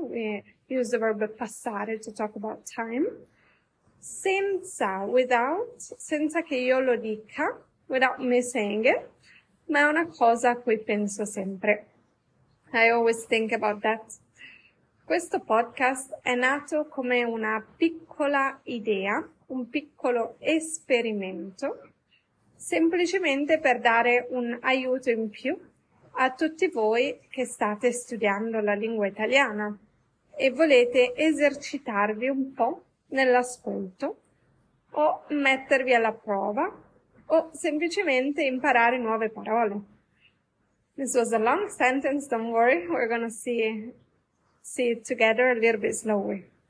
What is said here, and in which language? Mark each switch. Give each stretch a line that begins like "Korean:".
English: We use the verb passare to talk about time.
Italian: Senza,
English: without,
Italian: senza che io lo dica,
English: without me saying it.
Italian: Ma è una cosa a cui penso sempre.
English: I always think about that.
Italian: Questo podcast è nato come una piccola idea, un piccolo esperimento, semplicemente per dare un aiuto in più a tutti voi che state studiando la lingua italiana e volete esercitarvi un po' nell'ascolto o mettervi alla prova o semplicemente imparare nuove parole.
English: This was a long sentence, don't worry, we're gonna see it together a little bit slowly.